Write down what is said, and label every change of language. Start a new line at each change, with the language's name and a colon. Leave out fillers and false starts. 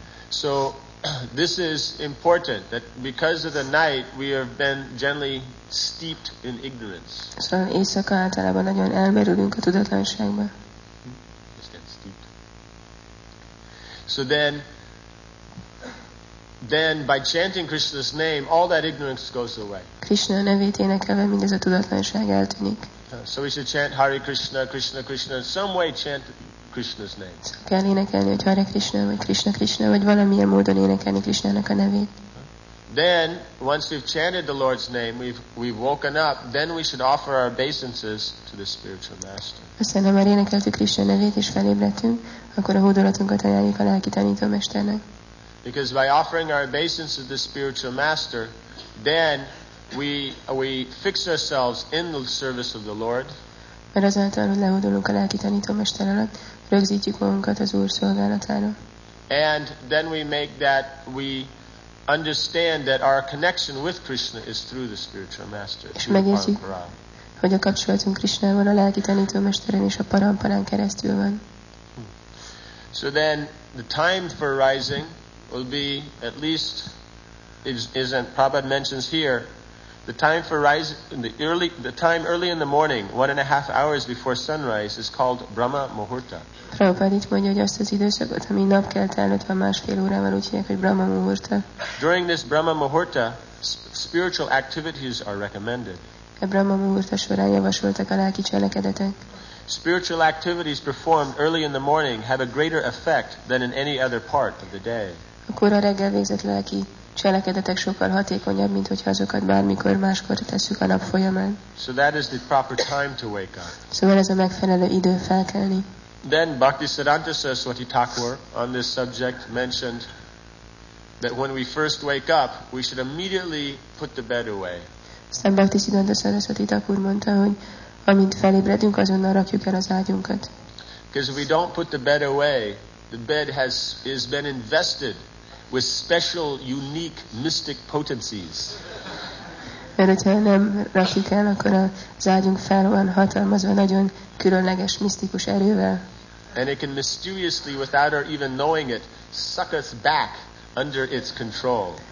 English: So, this is important that because of the night we have been generally steeped in ignorance.
Hungarian: Szóval éjszaka általában nagyon elmerülünk a tudatlanságba.
English: So then by chanting Krishna's name, all that ignorance goes away.
Hungarian: Krishna nevét énekelve mindez a tudatlanság eltűnik.
English: So we should chant Hare Krishna, Krishna Krishna, in some way chant Krishna's name. So
Hungarian: kell énekelni, hogy Hare Krishna, vagy Krishna Krishna, vagy valamilyen módon énekelni Krishna-nak a nevét.
English: Then, once we've chanted the Lord's name, we've woken up, then we should offer our obeisances to the spiritual master.
Hungarian: Aztán, ha már énekeltük Krishna nevét és felébredtünk, akkor a hódolatunkat ajánljuk a lelki tanító mesternek.
English: Because by offering our obeisances to the spiritual master, then we fix ourselves in the service of the Lord.
Hungarian: Mert azáltal, hogy lehódolunk a lelki tanító mester alatt, rögzítjük magunkat az Úr szolgálatára.
English: And then we make that we understand that our connection with Krishna is through the spiritual master.
Hungarian: És megértjük, hogy a kapcsolatunk Krishnával a lelki tanító mesteren és a paramparán keresztül van.
English: So then the time for rising will be at least is as Prabhupada mentions here, the time for rising in the time early in the morning, 1.5 hours before sunrise, is called Brahma Muhurta.
Hungarian: Prabhupada itt mondja, hogy azt az időszakot, ami napkelt előtt van másfél órával, úgy hívják, hogy Brahma Muhurta.
English: During this Brahma Muhurta, spiritual activities are recommended.
Hungarian: A Brahma Muhurta során javasoltak a lelki cselekedetek.
English: Spiritual activities performed early in the morning have a greater effect than in any other part of the day.
Hungarian: A kora reggel végzett lelki cselekedetek sokkal hatékonyabb, mint hogyha azokat bármikor máskor tesszük a nap folyamán.
English: So that is the proper time to wake up.
Hungarian: Szóval ez a megfelelő idő felkelni.
English: Then Bhaktisiddhanta Saraswati Thakur on this subject mentioned that when we first wake up, we should immediately put the bed away.
Hungarian: Aztán Bhaktisiddhanta Saraswati Thakur mondta, hogy amint felébredünk, azonnal rakjuk el az ágyunkat.
English: Because if we don't put the bed away, the bed has been invested with special, unique, mystic potencies.
Hungarian: Mert hogyha nem rakjuk el, akkor az ágyunk fel van hatalmazva nagyon különleges, misztikus erővel.
English: And it can mysteriously, without our even knowing it, suck us back under its control.